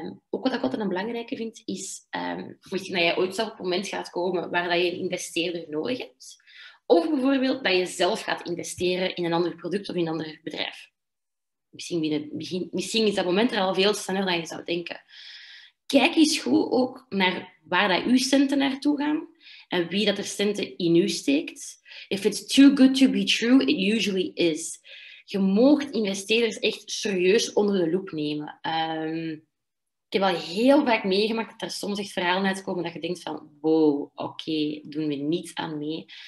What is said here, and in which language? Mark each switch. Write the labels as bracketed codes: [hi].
[nl] Ook wat ik altijd een belangrijke vind, is misschien dat je ooit zelf op het moment gaat komen waar dat je een investeerder nodig hebt. Of bijvoorbeeld dat je zelf gaat investeren in een ander product of in een ander bedrijf. Misschien is dat moment er al veel sneller dan je zou denken. Kijk eens goed ook naar waar dat uw centen naartoe gaan. En wie dat er centen in u steekt. [en] If it's too good to be true, it usually is. [nl] Je mag investeerders echt serieus onder de loep nemen. Ik heb al heel vaak meegemaakt dat er soms echt verhalen uitkomen dat je denkt van, wow, oké, doen we niets aan mee.